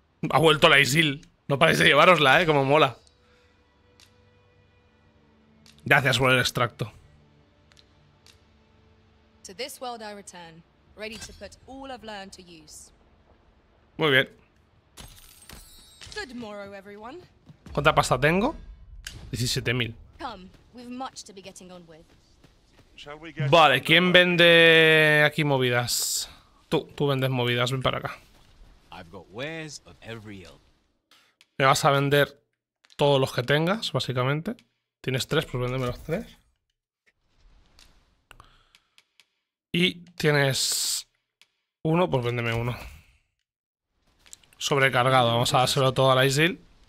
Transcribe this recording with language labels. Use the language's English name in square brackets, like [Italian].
[Spanish] Ha vuelto la Isil. No paréis de llevarosla, como mola. Gracias por el extracto. [English] To this world I return, ready to put all I've learned to use. [Spanish] Muy bien. [English] Good morrow, everyone. [Spanish] ¿Cuánta pasta tengo? 17.000. [English] Come, we've much to be getting on with. Shall we get [Spanish] vale, ¿quién vende aquí movidas? Tú vendes movidas, ven para acá. [English] I've got wares of every ilk. [Spanish] Me vas a vender todos los que tengas, básicamente. Tienes tres, pues véndeme los tres. Y tienes uno, pues véndeme uno. Sobrecargado, vamos a dárselo todo a la Isil.